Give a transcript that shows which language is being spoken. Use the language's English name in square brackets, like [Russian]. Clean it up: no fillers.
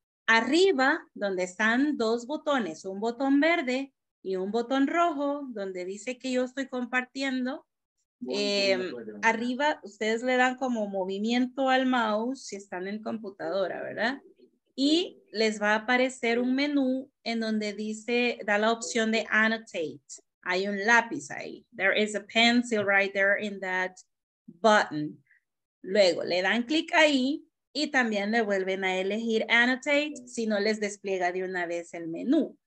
[Spanish] Arriba, donde están dos botones, un botón verde y un botón rojo, donde dice que yo estoy compartiendo. Arriba, ustedes le dan como movimiento al mouse si están en computadora, ¿verdad? Y les va a aparecer un menú en donde dice, da la opción de annotate. Hay un lápiz ahí. [English] There is a pencil right there in that button. [Spanish] Luego, le dan clic ahí. Y también le vuelven a elegir annotate si no les despliega de una vez el menú.